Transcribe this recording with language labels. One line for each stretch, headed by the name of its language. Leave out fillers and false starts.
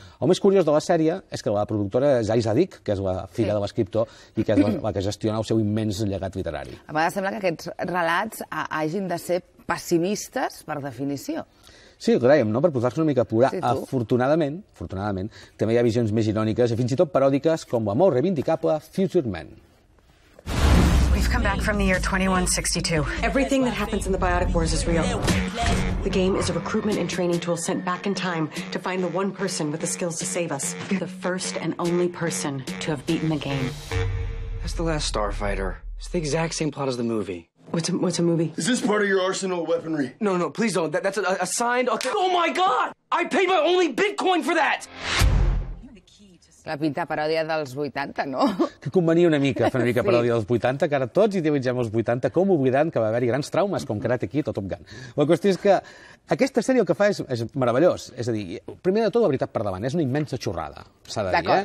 Catalan: El més curiós de la sèrie és que la productora és Aïssa Dick, que és la filla de l'escriptor i que és la que gestiona el seu immens llegat literari. A vegades sembla que aquests relats hagin de ser pessimistes, per definició. Sí, el que dèiem, no? Per posar-se una mica a plorar. Sí, afortunadament, també hi ha visions més iròniques i fins i tot paròdiques com la molt reivindicable Future Man.
English: We've come back from the year 2162. Everything that happens in the Biotic Wars is real. The game is a recruitment and training tool sent back in time to find the one person with the skills to save us. The first and only person to have beaten the game. That's the last starfighter. It's the exact same plot as the movie. What's a movie? Is this part of your arsenal of weaponry? No, please don't. That's a signed... Okay. Oh, my God! I paid my only Bitcoin for that!
Catalan: La pinta paròdia dels 80, no? Que convenia una mica fer una mica paròdia dels 80, que ara tots idealitzem els 80, com oblidant que va haver-hi grans traumes, com Karate Kid o Top Gun. La qüestió és que aquesta sèrie el que fa és meravellós. És a dir, primer de tot, la veritat per davant, és una immensa xorrada, s'ha de dir.